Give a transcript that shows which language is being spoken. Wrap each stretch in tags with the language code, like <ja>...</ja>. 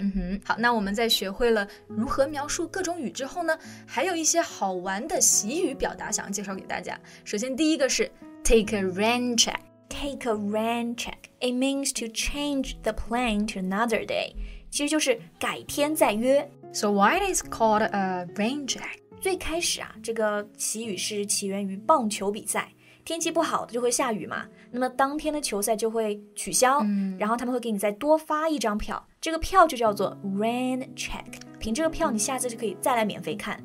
<zh>嗯哼，好，那我们在学会了如何描述各种雨之后呢，还有一些好玩的习语表达想介绍给大家。首先第一个是 take a rain check.</zh> <en>Take a rain check. It means to change the plan to another day.</en> <zh>其实就是改天再约。</zh> <en>So why it is called a rain check?</en> <zh>最开始啊，这个习语是起源于棒球比赛，天气不好就会下雨嘛，那么当天的球赛就会取消、然后他们会给你再多发一张票，这个票就叫做 rain check， 凭这个票你下次就可以再来免费看</zh>